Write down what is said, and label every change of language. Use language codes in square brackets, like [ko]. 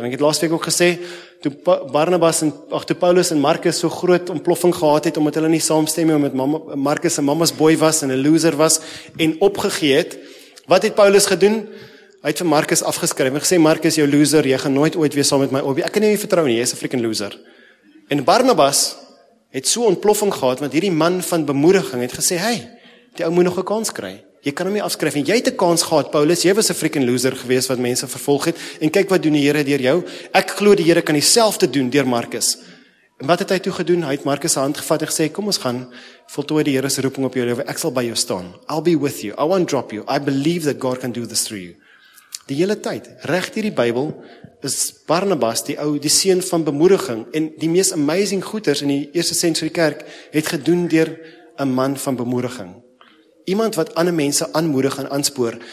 [af] En ek het laatste week ook gesê, toe Barnabas en toe Paulus en Marcus so groot ontploffing gehad het, omdat hulle nie saamstemme, omdat Marcus een mama's boy was en een loser was, en opgegeet, wat het Paulus gedoen? Hy het vir Marcus afgeskryf en gesê, Marcus, jou loser, jy gaan nooit ooit weer saam met my op. Ek kan nie vertrou nie, jy is een freaking loser. En Barnabas het so ontploffing gehad, want hierdie man van bemoediging het gesê, hey, die ou moet nog een kans kry. Jy kan hom nie afskryf nie. Jy het 'n kans gehad, Paulus, jy was 'n freaking loser geweest wat mense vervolg het, en kyk wat doen die Here deur jou. Ek glo die Here kan dieselfde doen deur Marcus. En wat het hy toe gedoen? Hy het Marcus se hand gevat en gesê, kom ons gaan, voltooi die Here se roeping op jou lewe, ek sal by jou staan. [en] I'll be with you, I won't drop you, I believe that God can do this through you. [af] Die hele tyd, reg deur die Bybel, is Barnabas die ou, die seun van bemoediging, en die mees amazing goeders in die eerste century kerk, het gedoen deur 'n man van bemoediging. Iemand wat ander mense aanmoedig en aanspoor.